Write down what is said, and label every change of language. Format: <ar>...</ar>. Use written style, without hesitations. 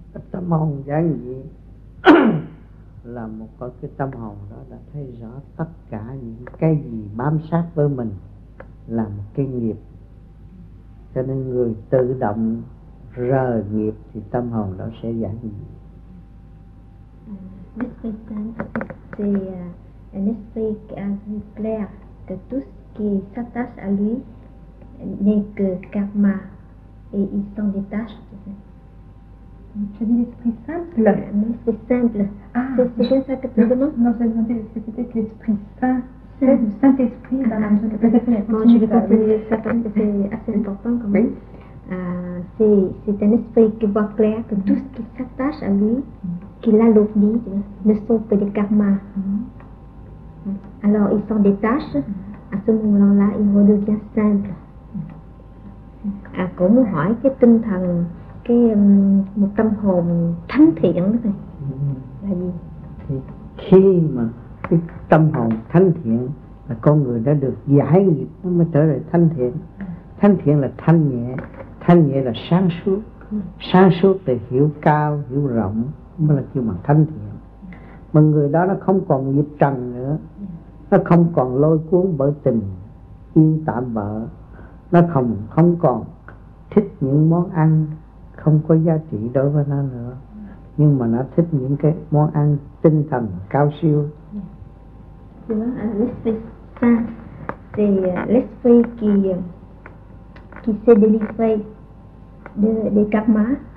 <vi>Tâm hồn giản dị là một con cái tâm hồn đó đã thấy rõ tất cả những cái gì bám sát với mình là một cái nghiệp. Cho nên người tự động rời nghiệp thì tâm hồn đó sẽ giản dị.</vi> <fr>L'esprit saint, c'est un esprit clair que tout ce qui s'attache à lui n'est que karma et il s'en détache. Tu dis l'esprit simple? L'esprit simple. Ah, c'est bien ça que tu demandes? Non, je vais demander, c'est peut-être l'esprit saint, le Saint-Esprit. Je vais continuer ça parce que c'est assez important quand même. Oui. C'est un esprit qui voit clair que tout ce qui s'attache à lui, qui l'alourdit, ne sont que des karmas. Alors il s'en détache, à ce moment-là, il redevient simple.</fr> <vi>Cô muốn hỏi cái tinh thần, một tâm hồn thánh thiện là gì? Thì khi mà cái tâm hồn thánh thiện là con người đã được giải nghiệp nó mới trở lại thánh thiện. Thánh thiện là thanh nhẹ là sáng suốt. Sáng suốt thì hiểu cao, hiểu rộng mới là kêu bằng thánh thiện. Mà người đó nó không còn nghiệp trần nữa, nó không còn lôi cuốn bởi tình yêu tạm bợ, nó không còn thích những món ăn không có giá trị đối với nó nữa, nhưng mà nó thích những cái món ăn tinh thần cao siêu.</vi> <fr>L'esprit saint, c'est l'esprit qui s'est délivré des karmas.</fr>